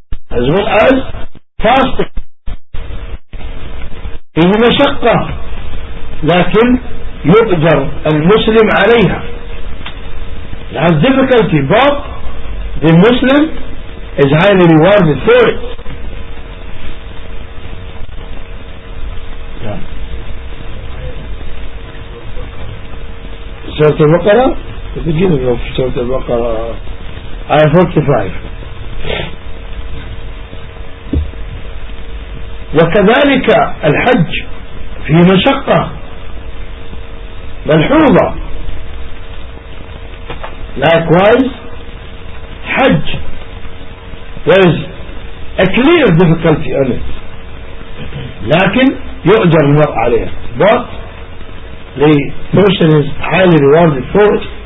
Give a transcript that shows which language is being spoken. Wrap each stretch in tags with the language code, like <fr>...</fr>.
<en>As well as fasting</en> <ar>فيه مشقة لكن يقدر المسلم عليها.</ar> <en>It has difficulty but the Muslim is highly rewarded for it.</en> <ar>سورة البقرة</ar> <en>the beginning of</en> <ar>سورة البقرة آية 45. وكذلك الحج في مشقة ملحوظة.</ar> <en>Likewise حج there is a clear difficulty on it</en> <ar>لكن يؤجر المرء عليه.</ar> <en>But the person is highly rewarded for it.</en>